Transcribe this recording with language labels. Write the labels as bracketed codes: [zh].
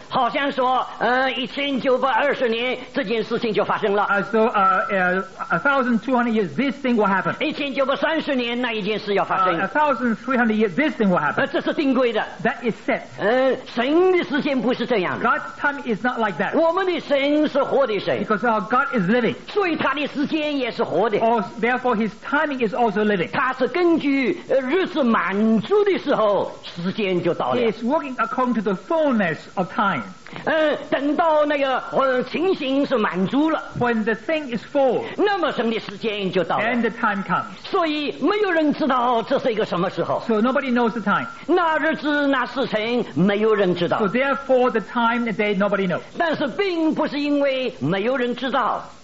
[zh] 好像说，1920年这件事情就发生了。 [en] As though 1200 years this thing will happen. [zh] 1930年那一件事要发生。 [en] 1300 years this thing will happen. [zh] 这是定规的。 [en] That is set. [zh] 神的时间不是这样的。 [en] God's time is not like that. [zh] 我们的神是活的神。 [en] Because our God is living. [zh] 所以他的时间也是活的。 [en] Therefore his timing is also living. [zh] 他是根据日子满足的时候时间就到了。 [en] He is working accordingto the fullness of time. [zh] 等到那个情形是满足了 [en] when the thing is full, [zh] 那么神的时间就到了 [en] and the time comes. [zh] 所以没有人知道这是一个什么时候 [en] so nobody knows the time. [zh] 那日子那事情没有人知道 [en] so therefore the time and day nobody knows. [zh] 但是并不是因为没有人知道